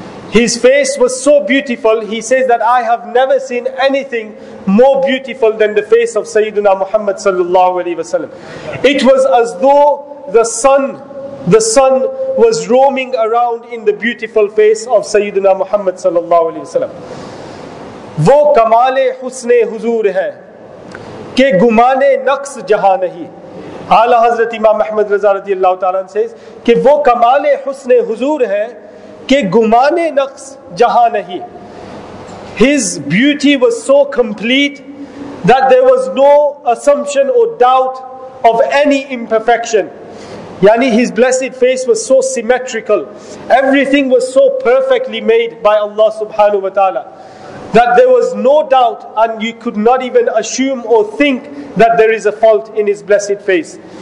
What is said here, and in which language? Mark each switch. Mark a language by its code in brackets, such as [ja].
[en] His face was so beautiful, he says that I have never seen anything more beautiful than the face of Sayyiduna Muhammad sallallahu alayhi wa sallam. It was as though the sun was roaming around in the beautiful face of Sayyiduna Muhammad sallallahu alayhi wa sallam. [ur] وَوْ كَمَالِ حُسْنِ حُزُورِ هَا کہ گمانِ نقص جہاں نہیں. اعلیٰ حضرت امام احمد رضا رضی اللہ تعالیٰ عنہ [en] says [ur] کہ وہ کمالِ حسنِ حضور ہے کہ گمانِ نقص جہاں نہیں. [en] His beauty was so complete that there was no assumption or doubt of any imperfection. Yani his blessed face was so symmetrical. Everything was so perfectly made by Allah subhanahu wa ta'ala that there was no doubt, and you could not even assume or think that there is a fault in his blessed face.